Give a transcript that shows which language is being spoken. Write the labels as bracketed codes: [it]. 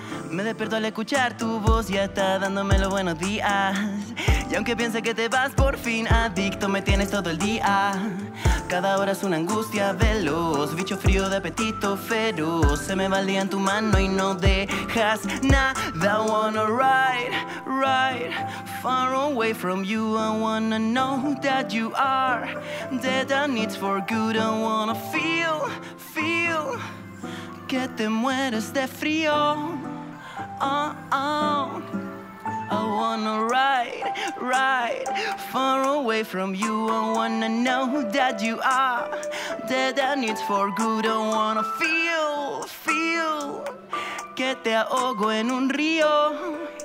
[es] Me despierto al escuchar tu voz, ya está dándome los buenos días. Y aunque piense que te vas, por fin adicto me tienes todo el día. Cada hora es una angustia veloz, bicho frío de apetito feroz. Se me va el día en tu mano y no dejas nada. [en] I wanna ride, ride far away from you. I wanna know that you are dead and it's for good. I wanna feel, feel [es] que te mueres de frío. Oh, oh. [en] I wanna ride, ride far away from you. I wanna know that you are dead and it's for good. I wanna feel, feel [es] que te ahogo en un río.